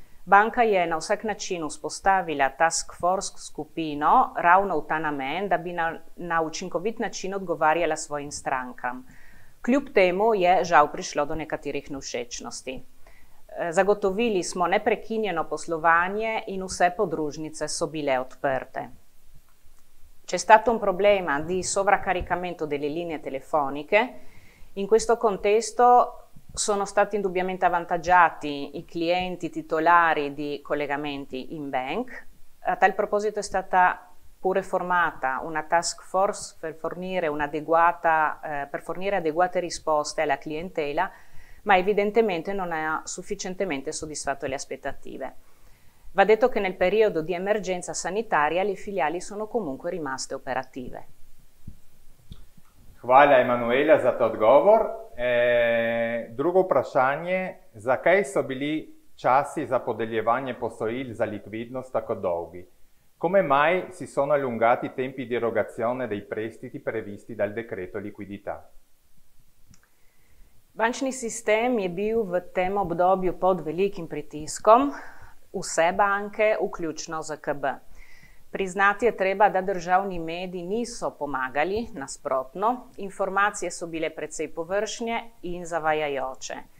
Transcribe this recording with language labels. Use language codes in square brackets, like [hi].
[sl] Banka je na vsak način vzpostavila task force skupino ravno v ta namen, da bi na učinkovit način odgovarjala svojim strankam. Kljub temu je žal prišlo do nekaterih nevšečnosti. Zagotovili smo neprekinjeno poslovanje in vse podružnice so bile odprte. [it] C'è stato un problema di sovraccaricamento delle linee telefoniche. In questo contesto sono stati indubbiamente avvantaggiati i clienti titolari di collegamenti in bank. A tal proposito è stata pure formata una task force per fornire adeguate risposte alla clientela, ma evidentemente non ha sufficientemente soddisfatto le aspettative. Va detto che nel periodo di emergenza sanitaria le filiali sono comunque rimaste operative. [sl] Hvala, Emanuela, za ta odgovor. Drugo vprašanje, zakaj so bili časi za podeljevanje posojil za likvidnost tako dolgi? [it] Come mai si sono allungati i tempi di erogazione dei prestiti previsti dal decreto liquidità? [sl] Bančni sistem je bil v tem obdobju pod velikim pritiskom, vse banke, vključno z KB. Priznati je treba, da državni mediji niso pomagali, nasprotno, informacije so bile precej površne in zavajajoče.